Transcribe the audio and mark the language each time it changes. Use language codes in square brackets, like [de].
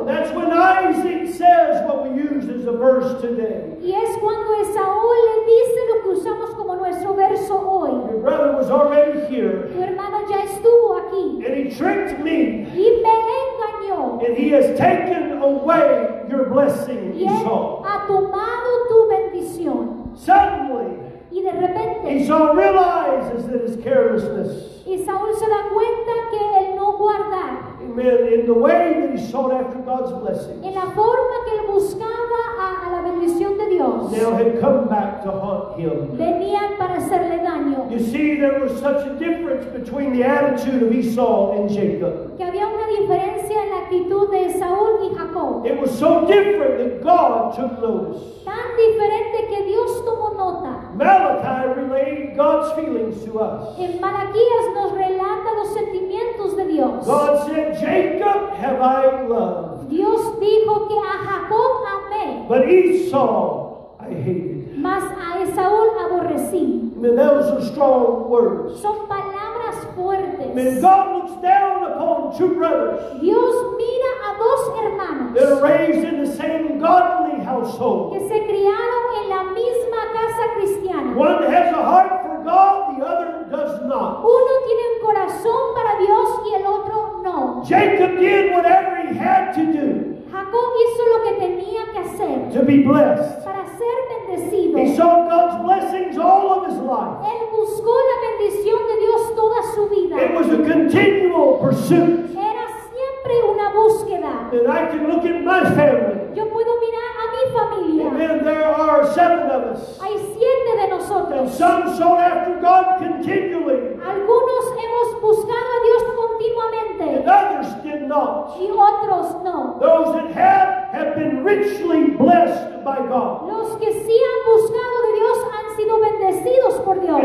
[en] And that's when Isaac says what we use as a verse today. [es] Y es cuando Esau le dice lo que usamos como nuestro verso hoy. [en] Your brother was already here. [es] Tu hermano ya estuvo aquí. [en] And he tricked me. [es] Y me engañó. [en] And he has taken away your blessing, [es] y él [en] Esau. [es] Ha tomado tu bendición. [en] Suddenly, [es] y de repente, [en] Esau realizes that his carelessness. [es] Y Saúl se da cuenta que el no guardar. [en] Amen. In the way that he sought after God's blessings. [es] En la forma que él buscaba a la bendición de Dios. [en] Now had come back to haunt him. [es] Venían para hacerle daño. [en] You see, there was such a difference between the attitude of Esau and Jacob. [es] Que había una diferencia en la actitud de Saúl y Jacob. [en] It was so different that God took notice. [es] Tan diferente que Dios tomó nota. [en] Malachi relayed God's feelings to us. [es] En Malaquías nos relata los sentimientos de Dios. [en] God said, Jacob have I loved. [es] Dios dijo que a Jacob amé. [en] But Esau I hated. [es] Mas a Esau aborrecí. [en] Amen. Those are strong words. [es] Son palabras fuertes. [en] Amen. God looks down upon two brothers. [es] Dios mira a dos hermanos. [en] They're raised in the same godly household. [es] Que se criaron en la misma casa cristiana. [en] One has a heart for God, the other does not. [es] Uno tiene un corazón para Dios y el otro no. [en] Jacob did whatever he had to do. [es] Jacob hizo lo que tenía que hacer. [en] To be blessed. [es] Para ser bendecido. [en] He sought God's blessings all of his life. [es] Él buscó la bendición de Dios toda su vida. [en] It was a continual pursuit. [es] Era siempre una búsqueda. [en] And I can look at my family. [es] Yo puedo mirar a mi familia. [en] Amen. There are seven of us. [es] Hay siete de nosotros. [en] And some sought after God continually. [es] Algunos hemos buscado a Dios continuamente. [en] And others did not. [es] Y otros no. [en] Those that have been richly blessed by God. [es] Los que sí han buscado de Dios han sido bendecidos por Dios.